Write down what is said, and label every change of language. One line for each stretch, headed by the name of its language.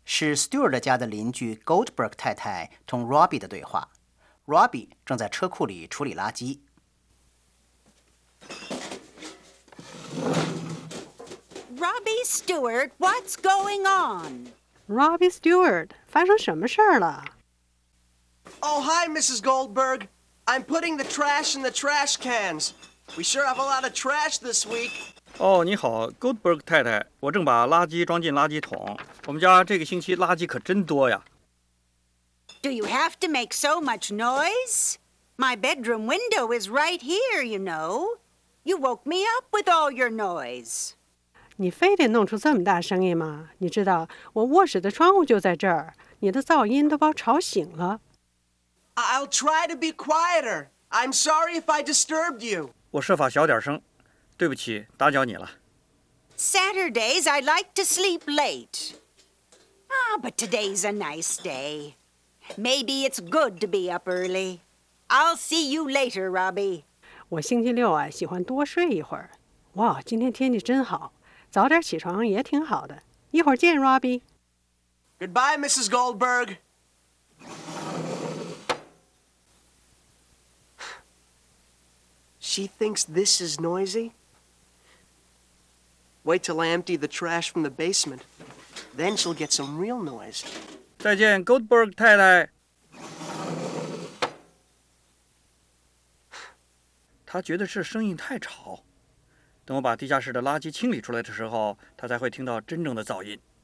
Chinese: Stewart 家的邻居 Goldberg 太太同 Robbie 的对话。 Robbie 正在车库里处理垃圾。
English: Robbie Stewart, what's going on?
Chinese: Robbie Stewart, 发生什么事了
English: ？Oh, hi, Mrs. Goldberg. I'm putting the trash in the trash cans. We sure have a lot of trash this week.
Chinese: 哦，你好 ，Goldberg 太太，我正把垃圾装进垃圾桶。我们家这个星期垃圾可真多呀。
English: Do you have to make so much noise? My bedroom window is right here, you know. You woke me up with all your noise.
Chinese: 你非得弄出这么大声音吗？你知道我卧室的窗户就在这儿，你的噪音都把我吵醒了。
English: I'll try to be quieter. I'm sorry if I disturbed you.
Chinese: 我设法小点声。对不起，打搅你了。
English: Saturdays I like to sleep late. Ah, but today's a nice day. Maybe it's good to be up early. I'll see you later, Robbie.
Chinese: 我星期六啊，喜欢多睡一会儿。哇，今天天气真好，早点起床也挺好的。一会儿见 ，Robbie。
English: Goodbye, Mrs. Goldberg. She thinks this is noisy? Wait till I empty the trash from the basement. Then she'll get some real noise.
Chinese: 再见 ，Goldberg 太太。她觉得是声音太吵。等我把地下室的垃圾清理出来的时候，她才会听到真正的噪音。